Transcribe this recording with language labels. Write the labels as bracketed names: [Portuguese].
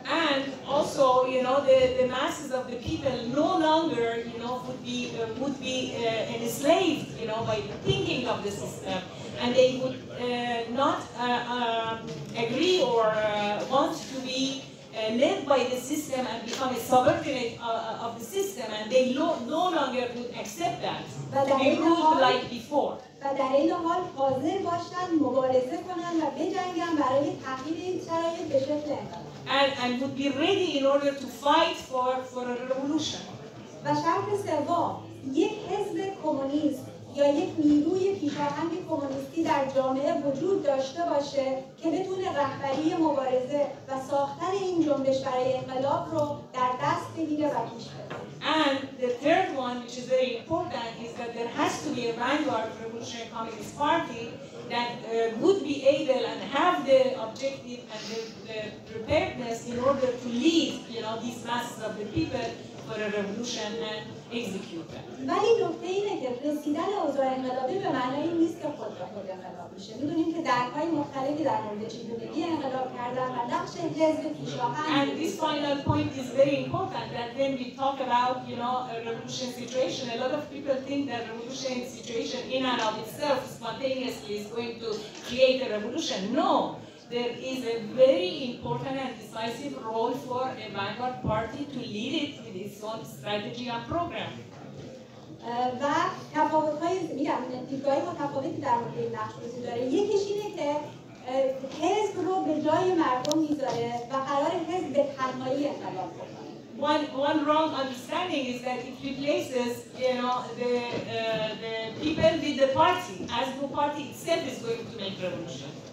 [English] And also, you know, the masses of the people no longer, you know, would be enslaved, you know, by thinking of the system. and they would not agree or want to be led by the system and become a subordinate of the system, and they no longer would accept that but to be ruled like before. [Persian] و در این حال حاضر باشند مبارزه کنند و بجنگند برای تغییر این شرایط به شکل [English] and would be ready in order to fight for a revolution. [Persian] و شرط سوم یک حزب کمونیست یا یک نیروی پیشاهنگ کمونیستی در جامعه وجود داشته باشه که بتونه رهبری مبارزه و ساختن این جنبش برای انقلاب رو در دست بگیره و پیش بره. [English] And the third one, which is very important, is that there has to be a vanguard revolutionary communist party that would be able and have the objective and the preparedness in order to lead, you know, these masses of the people for a revolution and execute them. But the point is that the rescue of the revolution is not meant to be the result of the revolution. We know that there are different directions in which the revolution can go. And this final point is very important, that when we talk about, you know, a revolution situation, a lot of people think that revolution situation in and of itself spontaneously is going to create a revolution. No. There is a very important and decisive role for a vanguard party to lead it with its own strategy and program. [Persian] و تفاوت‌های میگم دیدگاه متفاوتی در مورد این نقش بازی داره. یکیش اینه که حزب رو به جای مردم میذاره و قرار حزب به تنهایی انقلاب کنه. [English] One wrong understanding is that it replaces, you know, the people with the party, as the party itself is going to make revolution.